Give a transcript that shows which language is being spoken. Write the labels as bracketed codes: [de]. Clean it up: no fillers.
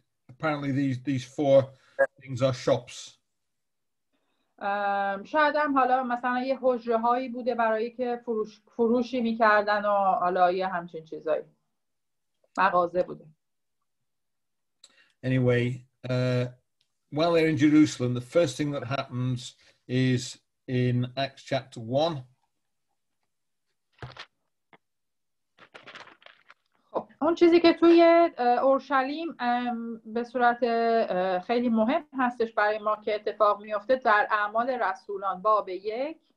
[en] Apparently these four things are shops. [fa] شاید هم حالا مثلا یه حجره هایی بوده برای که فروشی میکردن و حالا یه همچین چیزایی مغازه بوده. [en] Anyway, while they're in Jerusalem, the first thing that happens is in Acts chapter 1. [fa] اون چیزی که توی اورشلیم به صورت خیلی مهم هستش برای ما که اتفاق میفته در اعمال رسولان باب 1.